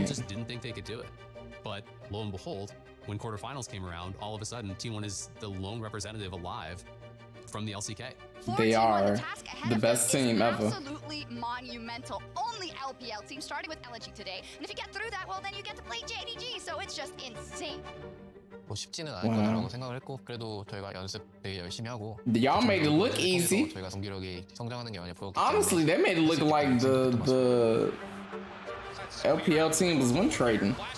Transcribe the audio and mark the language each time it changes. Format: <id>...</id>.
<en>People just didn't think they could do it. But lo and behold, when quarterfinals came around, all of a sudden, T1 is the lone representative alive from the LCK. They are the best team ever. Absolutely monumental. Only LPL team started with LG today. And if you get through that, well, then you get to play JDG. So it's just insane.</en> <ko>뭐 쉽지는 않을 거라고 생각을 했고 그래도 저희가 연습 되게 열심히 하고</ko> <en>Y'all made it look easy.</en> <ko>저희가 성기력이 성장하는 게 많이 보였고</ko> <en>Honestly, they made it look like the LPL team was win trading.</en>